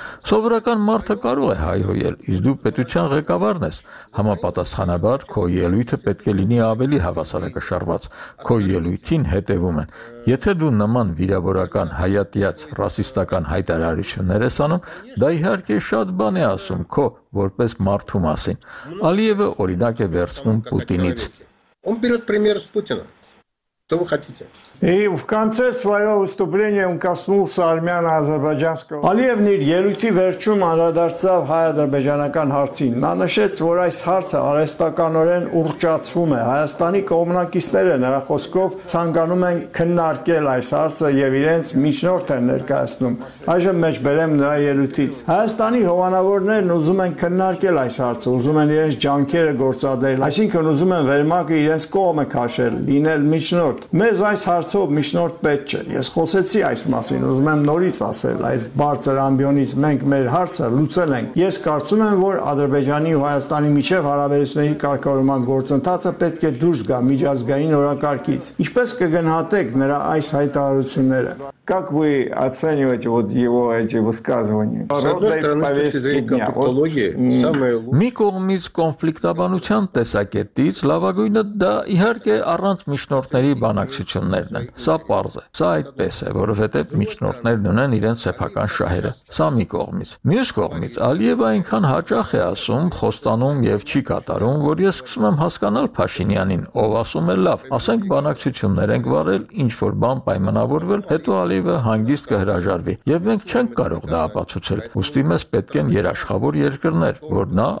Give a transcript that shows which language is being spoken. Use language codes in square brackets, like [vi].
[hy] Սովորական մարդը կարող է հայհոյել, իսկ դու պետության ղեկավարն ես, համապատասխանաբար քո ելույթը պետք է լինի ավելի հավասարակշռված, քո ելույթին հետևում են։ Եթե դու նման վիրավորական հայատյաց ռասիստական հայտարարություններ ես անում, դա իհարկե շատ բան է ասում քո որպես մարդու մասին։ Ալիևը օրինակ է վերցնում Պուտինից։ [ru] Он берёт пример с Путина. Что вы хотите? И в конце своего выступления он коснулся армяно-азербайджанского. [hy] Ալիևն իր ելույթի վերջում անդրադարձավ հայ-ադրբեջանական հարցին։ Նա նշեց, որ այս հարցը արհեստականորեն ուռճացվում է։ Հայաստանի կողմնակիցները նրա խոսքով ցանկանում են քննարկել այս հարցը եւ իրենց միջնորդ են ներկայացնում։ Այժմ մեջբերեմ նրա ելույթից։ Հայաստանի հովանավորներն ուզում են քննարկել այս հարցը, ուզում են իրենց ջանքերը գործադրել, այսինքն ուզում են վերմակը իրենց կողմը քաշել, լինել միջնորդ։ Մեզ այս հարցով միշտ պետք չէ։ Ես խոսեցի այս մասին, ուզում եմ նորից ասել, այս բարձր ամբիոնից մենք մեր հարցը լուծել ենք։ Ես կարծում եմ, որ Ադրբեջանի ու Հայաստանի միջև հարաբերությունների կարգավորման գործընթացը պետք է դուրս գա միջազգային օրակարգից։ Ինչպես կգնահատեք նրա այս հայտարարությունները? Как вы оцениваете вот его эти высказывания? С одной стороны, с точки зрения конфликтологии, самое лучшее... Мы комиз конфликтабанучан тесакетиц, лавагуйна да иherke առանց միջնորդների բանակցություններն են։ Սա պարզ է։ Սա այդպես է, որովհետև միջնորդներն ունեն իրենց սեփական շահերը։ Սա մի կողմից։ Մյուս կողմից, Ալիևը այնքան հաճախ է ասում, խոստանում եւ չի կատարում, որ ես սկսում եմ հասկանալ Փաշինյանին, ով ասում է լավ, ասենք բանակցություններ ենք վարել, ինչ որ բան պայմանավորվել, հետո Ալիևը հանգիստ կհրաժարվի, եւ մենք չենք կարող դա ապացուցել։ Ուստի մեզ պետք են երաշխավոր երկրներ, որ նա